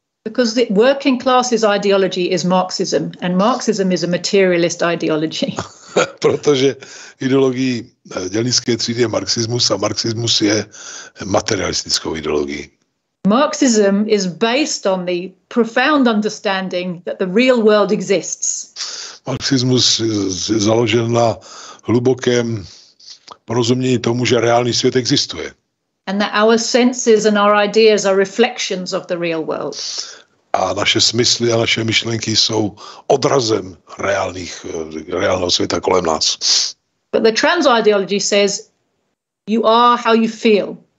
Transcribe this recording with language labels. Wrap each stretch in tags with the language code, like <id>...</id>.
<en>Because the working class's ideology is Marxism, and Marxism is a materialist ideology.</en> <cs>Protože ideologií dělnické třídy je marxismus a marxismus je materialistickou ideologií.</cs> <en>Marxism is based on the profound understanding that the real world exists.</en> <cs>Marxismus je založen na hlubokém porozumění tomu, že reálný svět existuje.</cs> <en>And that our senses and our ideas are reflections of the real world.</en> <cs>A naše smysly a naše myšlenky jsou odrazem reálného světa kolem nás.</cs> <en>But the trans ideology says you are how you feel.</en>